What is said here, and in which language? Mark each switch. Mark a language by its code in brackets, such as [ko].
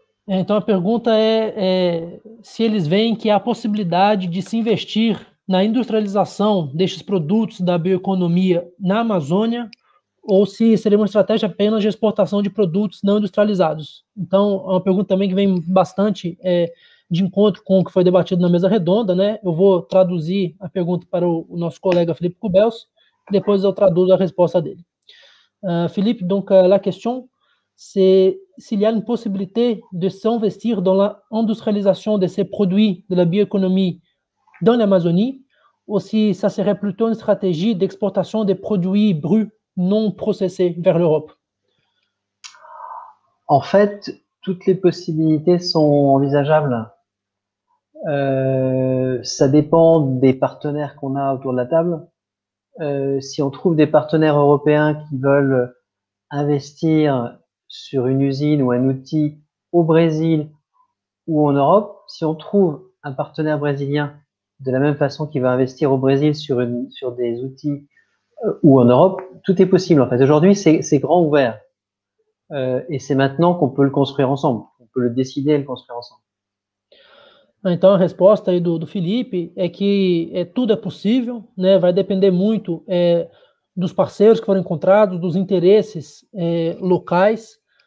[pt] Então, a pergunta é se eles veem que há possibilidade de se investir na industrialização destes produtos da bioeconomia na Amazônia, ou se seria uma estratégia apenas de exportação de produtos não industrializados. Então, é uma pergunta também que vem bastante de encontro com o que foi debatido na mesa redonda, né? Eu vou traduzir a pergunta para o nosso colega Felipe Kubelski, depois eu traduzo a resposta dele. [fr] Felipe, donc la question, c'est s'il y a une possibilité de s'investir dans la industrialisation de ces produits de la bioéconomie dans l'Amazonie, ou si ça serait plutôt une stratégie d'exportation des produits bruts non processé vers l'Europe? En fait, toutes les possibilités sont envisageables. Ça dépend des partenaires qu'on a autour de la table. Si on trouve des partenaires européens qui veulent investir sur une usine ou un outil au Brésil ou en Europe, si on trouve un partenaire brésilien de la même façon qu'il va investir au Brésil sur des outils ou en Europe, tout est possible, en fait. Aujourd'hui, c'est grand ouvert. Et c'est maintenant qu'on peut le construire ensemble. On peut le décider et le construire ensemble. [pt] Então, a resposta aí do Felipe é que tudo é possível, né? Vai depender muito dos parceiros que foram encontrados, dos interesses locais.